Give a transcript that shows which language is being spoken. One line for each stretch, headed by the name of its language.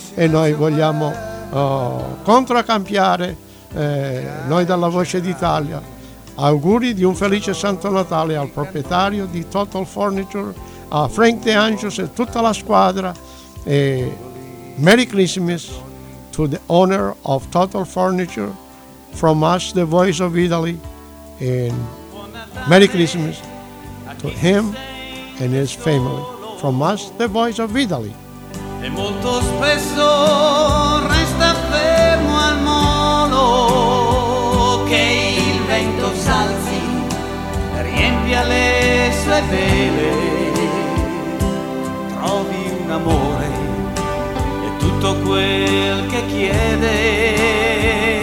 Italian: E noi vogliamo controcampiare, noi dalla Voce d'Italia, auguri di un felice Santo Natale al proprietario di Total Furniture, a Frank De Angelis e tutta la squadra. E
English: Merry Christmas to the owner of Total Furniture from us, the Voice of Italy, and Merry Christmas to him and his family from us, the Voice of Italy.
Italian: E molto spesso resta fermo al molo, che il vento s'alzi, riempia le sue vele, trovi un amore e tutto quel che chiede.